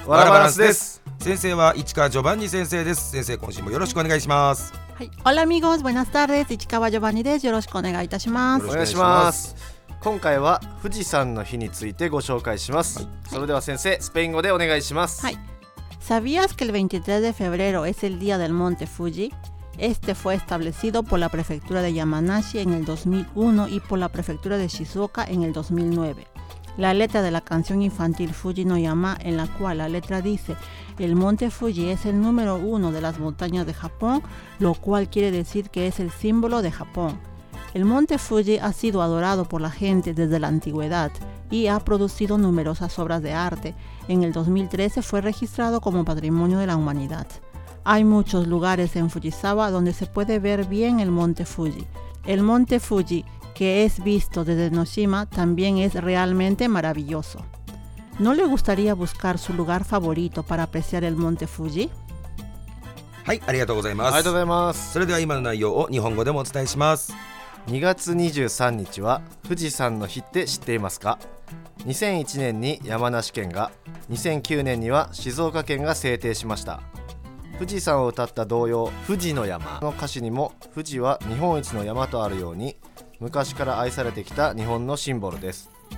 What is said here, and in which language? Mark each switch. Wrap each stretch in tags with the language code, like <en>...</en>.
<ja>ワラバランスです。先生は市川ジョバンニ先生です。先生今週もよろしくお願いします。はい、オラミゴーズバナスタールです。市川ジョバンニです。よろしくお願いいたします。お願いします。今回は富士山の日についてご紹介します。はい、それでは先生、スペイン語でお願いします。はい。</ja> <es>¿Sabías que el 23 de febrero es el día del monte Fuji? Este fue establecido por la prefectura de Yamanashi en el 2001 y por la prefectura de Shizuoka en el 2009. La letra de la canción infantil Fuji no Yama, en la cual la letra dice el monte Fuji es el número uno de las montañas de Japón, lo cual quiere decir que es el símbolo de Japón. El monte Fuji ha sido adorado por la gente desde la antigüedad y ha producido numerosas obras de arte. En el 2013 fue registrado como Patrimonio de la Humanidad. Hay muchos lugares en Fujisawa donde se puede ver bien el monte Fuji. El monte Fuji, que es visto desde Noshima, también es realmente maravilloso. ¿No le gustaría buscar su lugar favorito para apreciar el monte Fuji?</es> <ja>はい、ありがとうございます。ありがとうございます。それでは今の内容を日本語でもお伝えします。 2月23日は富士山の日って知っていますか？ 2001年に山梨県が、2009年には静岡県が制定しました。富士山を歌った童謡富士の山の歌詞にも、富士は日本一の山とあるように、昔から愛されてきた日本のシンボルです。</ja>